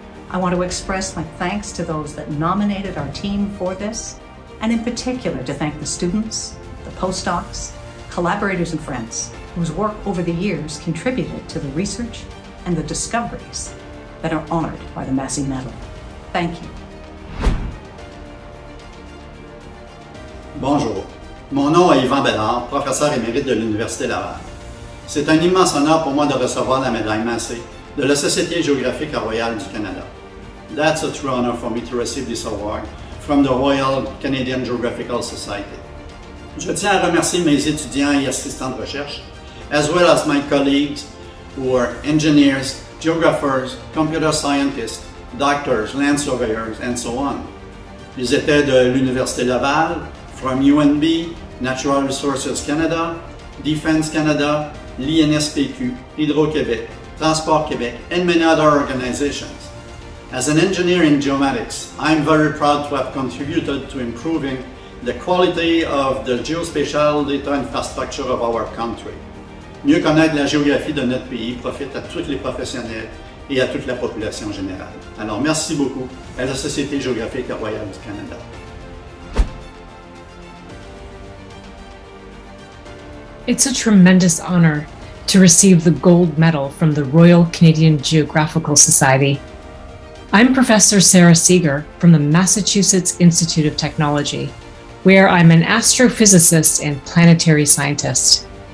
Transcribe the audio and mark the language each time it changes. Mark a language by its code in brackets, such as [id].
[en] I want to express my thanks to those that nominated our team for this, and in particular to thank the students, the postdocs, collaborators and friends whose work over the years contributed to the research and the discoveries that are honored by the Massey Medal. Thank you. [fr] Bonjour, mon nom est Yvan Bellard, professeur émérite de l'Université Laval. C'est un immense honneur pour moi de recevoir la médaille Massey de la Société géographique royale du Canada. [en] That's a true honor for me to receive this award from the Royal Canadian Geographical Society. Je tiens à remercier mes étudiants et assistants de recherche, as well as my colleagues who are engineers, geographers, computer scientists, doctors, land surveyors, and so on. Ils étaient de l'Université Laval, from UNB, Natural Resources Canada, Defense Canada, l'INSPQ, Hydro-Québec, Transport Québec, and many other organizations. As an engineer in geomatics, I'm very proud to have contributed to improving the quality of the geospatial data infrastructure of our country. [fr] Mieux connaître la géographie de notre pays profite à tous les professionnels et à toute la population générale. Alors, merci beaucoup à la Société géographique royale du Canada. [en] It's a tremendous honor to receive the gold medal from the Royal Canadian Geographical Society. I'm Professor Sara Seager from the Massachusetts Institute of Technology, where I'm an astrophysicist and planetary scientist.